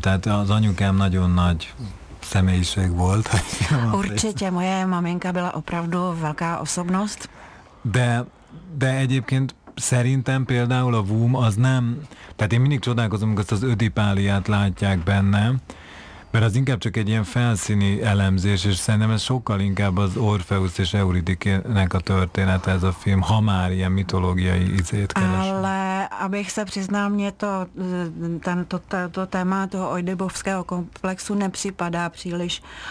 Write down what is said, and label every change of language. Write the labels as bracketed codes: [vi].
[hu] Tehát az anyukám nagyon nagy személyiség volt. [cs] Určitě moje maminka byla opravdu velká osobnost. [hu] De egyébként szerintem például a Wum az nem, tehát én mindig csodálkozom, hogy ezt az ödipáliát látják benne, mert az inkább csak egy ilyen felszíni elemzés, és szerintem ez sokkal inkább az Orpheus és Euridikének a története ez a film, ha már ilyen mitológiai izét keresem. [cs] Abych se přiznal, mě to téma toho oidipovského komplexu nepřipadá příliš.